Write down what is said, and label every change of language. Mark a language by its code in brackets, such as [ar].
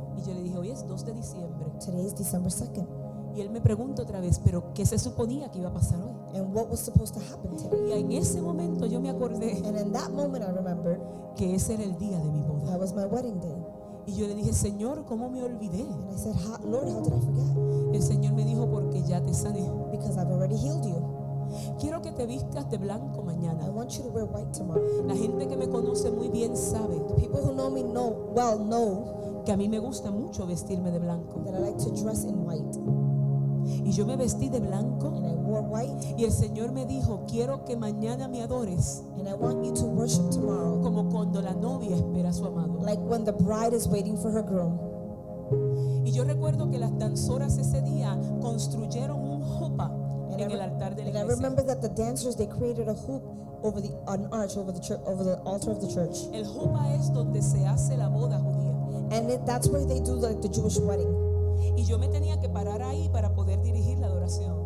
[es] Y yo le dije, hoy es 2 de diciembre. [en] Today is December 2nd. [es] Y él me pregunta otra vez, pero ¿qué se suponía que iba a pasar hoy? [en] And what was supposed to happen today? [es] Y en ese momento yo me acordé, [en] and in that moment I remembered, [es] que ese era el día de mi boda. [en] That was my wedding day. [es] Y yo le dije, Señor, ¿cómo me olvidé? [en] And I said, Lord, how did I forget? [es] El Señor me dijo, porque ya te sané. [en] Because I've already healed you. [es] Quiero que te vistas de blanco mañana. [en] I want you to wear white tomorrow. [es] La gente que me conoce muy bien sabe, [en] the people who know me know, well know, [es] que a mí me gusta mucho vestirme de blanco. [en] That I like to dress in white. [es] Y yo me vestí de blanco. [en] And I wore white. [es] Y el Señor me dijo, quiero que mañana me adores. [en] And I want you to worship tomorrow. [es] Como cuando la novia espera a su amado. [en] Like when the bride is waiting for her groom. [es] Y yo recuerdo que las danzoras ese día construyeron un hopa en el altar de la iglesia. [en] And I remember that the dancers, they created a hoop over the, an arch over the church, over the altar of the church. [es] El hopa es donde se hace la boda judía. [en] And it, that's where they do the Jewish wedding. [es] Y yo me tenía que parar ahí para poder dirigir la adoración.